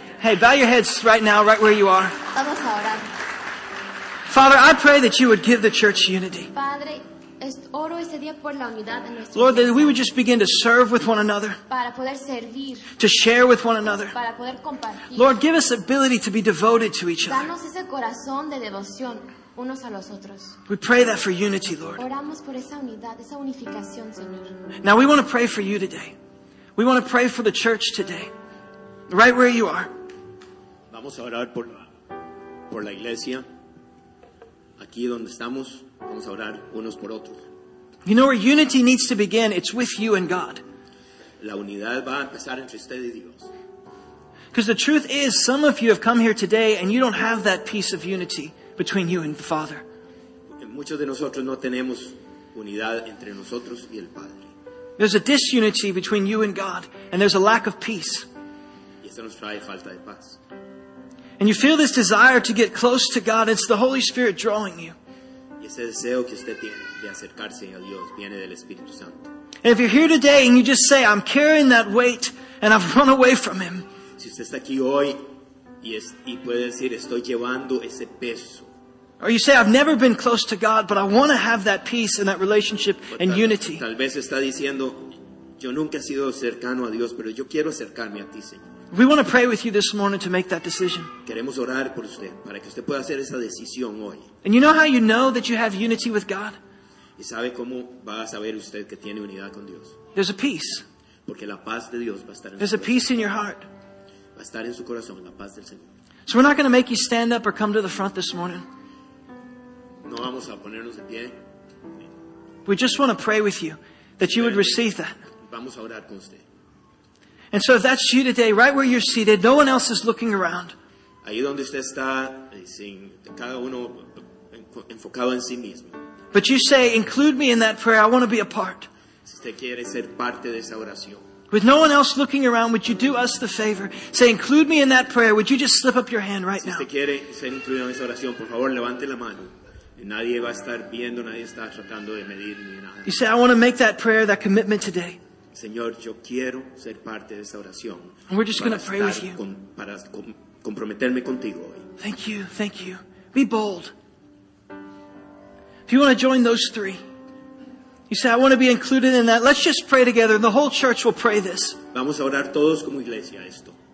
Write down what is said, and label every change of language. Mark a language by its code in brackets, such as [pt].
[en] Hey, bow your heads right now, right where you are. [es] Vamos a orar. [en] Father, I pray that you would give the church unity. [es] Padre, oro este día por la unidad de nuestra [en] Lord, that we would just begin to serve with one another. [es] Para poder servir, [en] to share with one another. [es] Para poder compartir. [en] Lord, give us ability to be devoted to each other. [es] Danos ese corazón de devoción unos a los otros. [en] We pray that for unity, Lord. [es] Oramos por esa unidad, esa unificación, Señor. [en] Now we want to pray for you today. We want to pray for the church today. Right where you are. [es] Vamos a orar por la iglesia. Aquí donde estamos. Vamos a orar unos por otros. [en] You know where unity needs to begin? It's with you and God. [es] La unidad va a empezar entre usted y Dios. [en] Because the truth is, some of you have come here today and you don't have that piece of unity between you and the Father. [es] Muchos de nosotros no tenemos unidad entre nosotros y el Padre. [en] There's a disunity between you and God, and there's a lack of peace. [es] Y eso nos trae falta de paz. [en] And you feel this desire to get close to God. It's the Holy Spirit drawing you. [es] Y ese deseo que usted tiene de acercarse a Dios viene del Espíritu Santo. [en] And if you're here today and you just say, I'm carrying that weight and I've run away from Him. [es] Si usted está aquí hoy y puede decir, estoy llevando ese peso. [en] Or you say, I've never been close to God, but I want to have that peace and that relationship and unity. [es] Tal vez está diciendo, yo nunca he sido cercano a Dios, pero yo quiero acercarme a ti, Señor. [en] We want to pray with you this morning to make that decision. [es] Queremos orar por usted, para que usted pueda hacer esa decisión hoy. [en] And you know how you know that you have unity with God? [es] ¿Y sabe cómo va a saber usted que tiene unidad con Dios? [en] There's a peace. [es] Porque la paz de Dios va a estar en [en] There's [es] su corazón. [en] A peace in your heart. [es] Va a estar en su corazón, la paz del Señor. [en] So we're not going to make you stand up or come to the front this morning. [es] No vamos a ponernos de pie. [en] We just want to pray with you that you would receive that. [es] Vamos a orar con usted. [en] And so if that's you today, right where you're seated, no one else is looking around. [es] Ahí donde usted está, sin cada uno enfocado en sí mismo. [en] But you say, include me in that prayer. I want to be a part. [es] Si usted quiere ser parte de esa oración. [en] With no one else looking around, would you do us the favor? Say, include me in that prayer. Would you just slip up your hand right [es] si [en] now? [es] Si usted quiere ser incluido en esa oración, por favor, levante la mano. Nadie va a estar viendo, nadie está tratando de medir ni nada. [en] You say, I want to make that prayer, that commitment today. [es] Señor, yo quiero ser parte de esa oración. [en] And we're just going to pray with you. [es] Para comprometerme contigo hoy. [en] Thank you, thank you. Be bold. If you want to join those three, you say, I want to be included in that. Let's just pray together and the whole church will pray this. [es] Vamos a orar todos como iglesia esto.